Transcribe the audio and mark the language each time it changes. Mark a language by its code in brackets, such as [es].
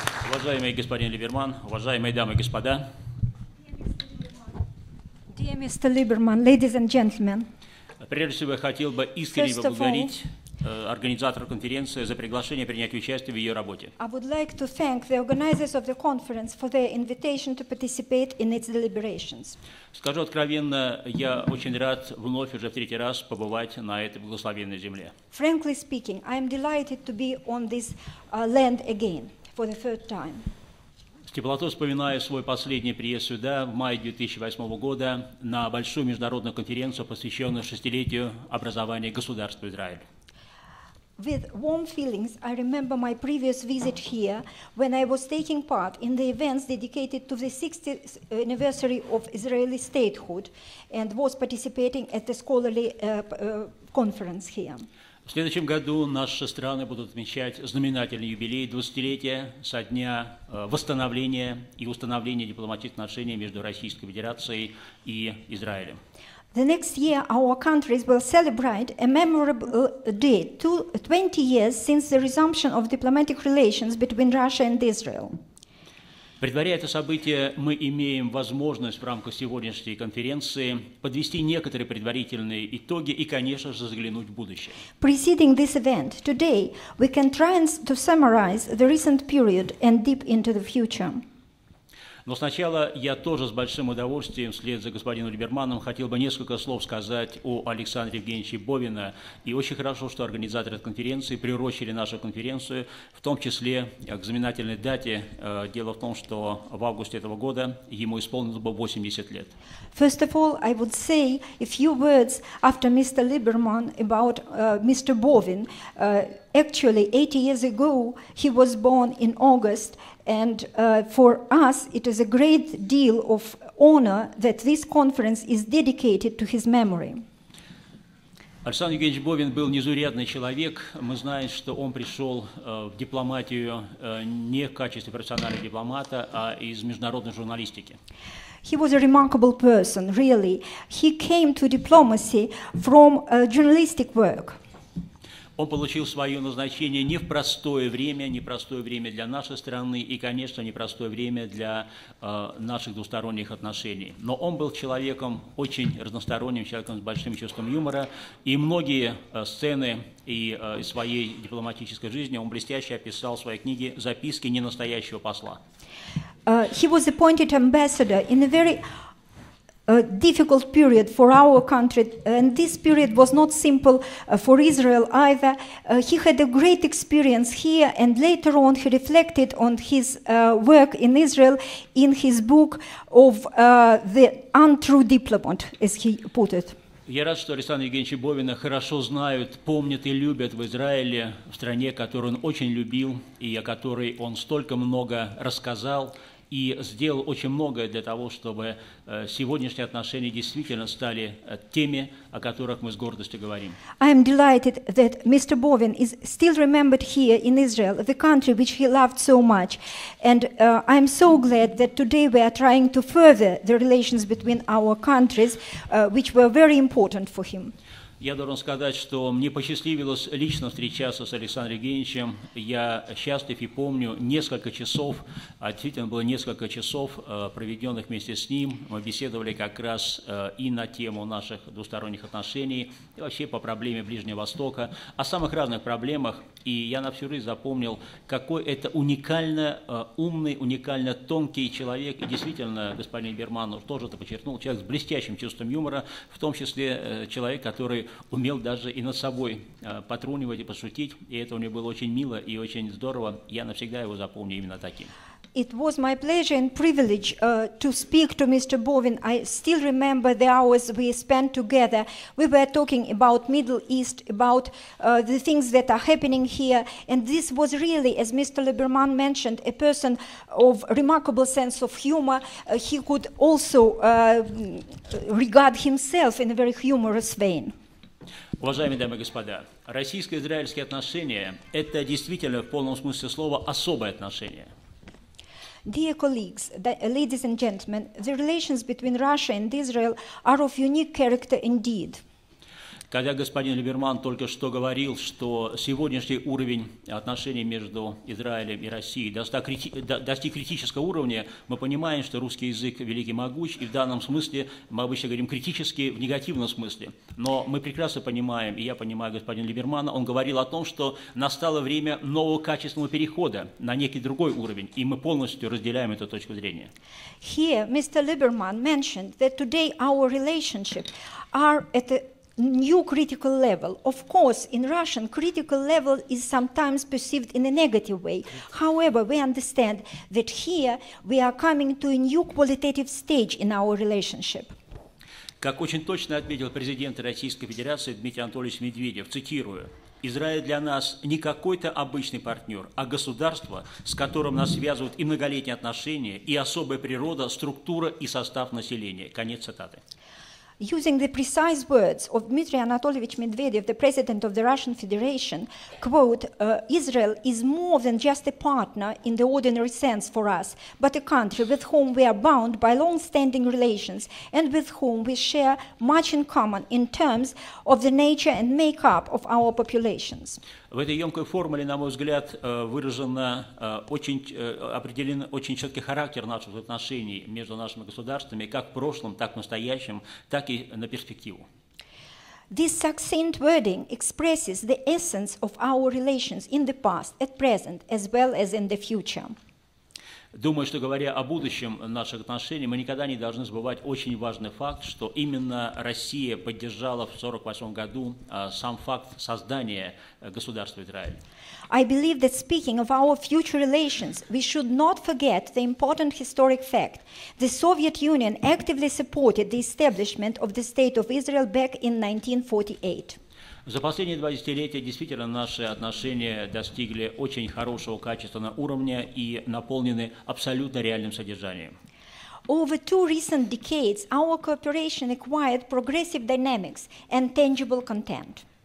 [ru] Уважаемый господин Либерман, уважаемые дамы и господа. [en] Dear Mr. Lieberman, ladies and gentlemen. [ru] Прежде всего, я хотел бы искренне поблагодарить организатора конференции за приглашение принять участие в ее работе. [en] I would like to thank the organizers of the conference for their invitation to participate in its deliberations. [ru] Скажу откровенно, я очень рад вновь уже в третий раз побывать на этой благословенной земле. [en] Frankly speaking, I am delighted to be on this land again for the third time. [ru] С теплотой вспоминаю свой последний приезд сюда в мае 2008 года на большую международную конференцию, посвященную шестилетию образования государства Израиль. [en] With warm feelings, I remember my previous visit here when I was taking part in the events dedicated to the 60th anniversary of Israeli statehood and was participating at the scholarly conference here. [ru] В следующем году наши страны будут отмечать знаменательный юбилей 20-летия со дня восстановления и установления дипломатических отношений между Российской Федерацией и Израилем. [en] The next year our countries will celebrate a memorable day, 20 years since the resumption of diplomatic relations between Russia and Israel. [ru] Предваряя это событие, мы имеем возможность в рамках сегодняшней конференции подвести некоторые предварительные итоги и, конечно же, заглянуть в будущее. [en] Preceding this event, today we can try to summarize the recent period and dip into the future. [ru] Но сначала я тоже с большим удовольствием, вслед за господином Либерманом, хотел бы несколько слов сказать о Александре Евгеньевиче Бовине. И очень хорошо, что организаторы этой конференции приурочили нашу конференцию, в том числе к знаменательной дате. Дело в том, что в августе этого года ему исполнилось бы 80 лет. [en] First of all, I would say a few words after Mr. Liberman about Mr. Bovin. Actually, 80 years ago, he was born in August, and for us, it is a great deal of honor that this conference is dedicated to his memory. [ru] Александр Евгеньевич Бовин был незаурядный человек. Мы знаем, что он пришел в дипломатию не в качестве профессионального дипломата, а из международной журналистики. [en] He was a remarkable person, really. He came to diplomacy from journalistic work. [ru] Он получил свое назначение не в простое время, непростое время для нашей страны и, конечно, непростое время для наших двусторонних отношений. Но он был человеком очень разносторонним, человеком с большим чувством юмора, и многие сцены из своей дипломатической жизни он блестяще описал в своей книге «Записки ненастоящего посла». [en] He was appointed ambassador in a very difficult period for our country, and this period was not simple for Israel either. He had a great experience here, and later on he reflected on his work in Israel in his book of the untrue diplomat, as he put it. [ru] Я рад, что Александра Евгеньевича Бовина хорошо знают, помнят и любят в Израиле, в стране, которую он очень любил и о которой он столько много рассказал и сделал очень многое для того, чтобы сегодняшние отношения действительно стали теми, о которых мы с гордостью говорим. [en] I am delighted that Mr. Bovin is still remembered here in Israel, the country which he loved so much. And I am so glad that today we are trying to further the relations between our countries, which were very important for him. [ru] Я должен сказать, что мне посчастливилось лично встречаться с Александром Евгеньевичем. Я счастлив и помню несколько часов, действительно было несколько часов, проведенных вместе с ним. Мы беседовали как раз и на тему наших двусторонних отношений, и вообще по проблеме Ближнего Востока, о самых разных проблемах. И я на всю жизнь запомнил, какой это уникально умный, уникально тонкий человек. И действительно, господин Берманов тоже это подчеркнул, человек с блестящим чувством юмора, в том числе человек, который умел даже и над собой потрунивать и пошутить. И это у него было очень мило и очень здорово. Я навсегда его запомню именно таким. [en] It was my pleasure and privilege to speak to Mr. Bovin. I still remember the hours we spent together. We were talking about Middle East, about the things that are happening here. And this was really, as Mr. Lieberman mentioned, a person of remarkable sense of humor. He could also regard himself in a very humorous vein. [ru] Уважаемые дамы и господа, российско-израильские отношения – это действительно в полном смысле слова особое отношение. [en] Dear colleagues, ladies and gentlemen, the relations between Russia and Israel are of unique character indeed. [ru] Когда господин Либерман только что говорил, что сегодняшний уровень отношений между Израилем и Россией достиг критического уровня, мы понимаем, что русский язык велик и могуч, и в данном смысле мы обычно говорим критически в негативном смысле. Но мы прекрасно понимаем, и я понимаю господина Либермана, он говорил о том, что настало время нового качественного перехода на некий другой уровень, и мы полностью разделяем эту точку зрения. [en] Here Mr. Lieberman mentioned that today our relationship are at a new critical level. Of course, in Russian, critical level is sometimes perceived in a negative way. However, we understand that here we are coming to a new qualitative stage in our relationship. [ru] Как очень точно отметил президент Российской Федерации Дмитрий Анатольевич Медведев, цитирую, «Израиль для нас не какой-то обычный партнер, а государство, с которым нас связывают и многолетние отношения, и особая природа, структура и состав населения». Конец цитаты. [en] Using the precise words of Dmitry Anatolievich Medvedev, the president of the Russian Federation, quote, Israel is more than just a partner in the ordinary sense for us, but a country with whom we are bound by long-standing relations and with whom we share much in common in terms of the nature and makeup of our populations. [ru] В этой емкой формуле, на мой взгляд, выражен очень определен очень четкий характер наших отношений между нашими государствами, как в прошлом, так в настоящем, так и на перспективу. [en] This succinct wording expresses the essence of our relations in the past, at present, as well as in the future. [ru] Думаю, что говоря о будущем наших отношений, мы никогда не должны забывать очень важный факт, что именно Россия поддержала в 1948 году сам факт создания государства Израиль. [en] I believe that speaking of our future relations, we should not forget the important historic fact. The Soviet Union actively supported the establishment of the State of Israel back in 1948. [ru] За последние два десятилетия действительно наши отношения достигли очень хорошего качественного уровня и наполнены абсолютно реальным содержанием. [en] Over two recent decades our cooperation acquired progressive dynamics and tangible content.